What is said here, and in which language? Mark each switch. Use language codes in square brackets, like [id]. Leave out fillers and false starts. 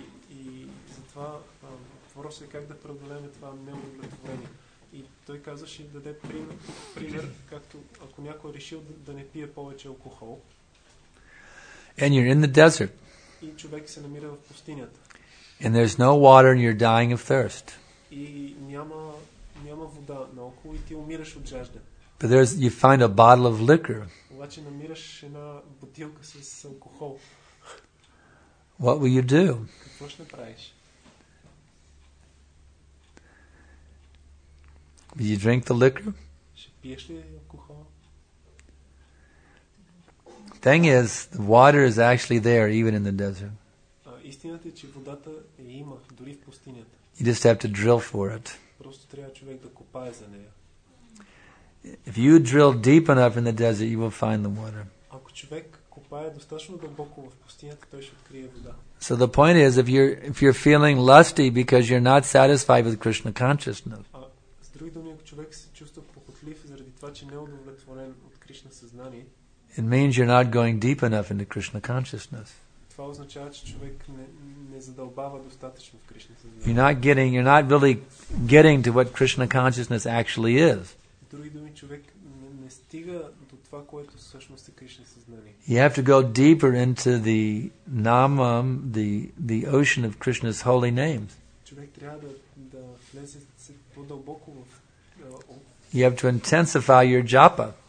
[bg] И затова въпросът е как да преодолеем това неудовлетворение. И той казваше да даде пример, както ако някой е решил да не пие повече алкохол. [en] And you're in the desert. [bg] И човек се намира в пустинята. [en] And there's no water and you're dying of thirst. [bg] И няма вода наоколо и ти умираш от жажда. [en] But there's, you find a bottle of liquor. [bg] Обаче намираш една бутилка с алкохол. [en] What will you do? [bg] Какво ще направиш? [en] Will you drink the liquor? [bg] Ще пиеш ли алкохол? [en] Thing is, the water is actually there, even in the desert. [bg] Истината е, че водата е има, дори в пустинята. [en] You just have to drill for it. [bg] Просто трябва човек да копае за нея. [en] If you drill deep enough in the desert, you will find the water. [bg] Ако човек копае достатъчно дълбоко в пустинята, той ще открие вода. [en] So the point is, if you're feeling lusty because you're not satisfied with Krishna consciousness. [bg] С други думи, ако човек се чувства похотлив заради това, че не е удовлетворен от Кришна съзнание. [en] It means you're not going deep enough into Krishna consciousness. [bg] Това означава, че човек не задълбава достатъчно в Кришна съзнание. [en] You're not really getting to what Krishna consciousness actually is. [bg] Други думи, човек не стига до това, което всъщност е Кришна съзнание. [en] You have to go deeper into the Namam, the ocean of Krishna's holy names. [bg] Човек трябва да влезе по-дълбоко в. [en] You have to intensify your japa.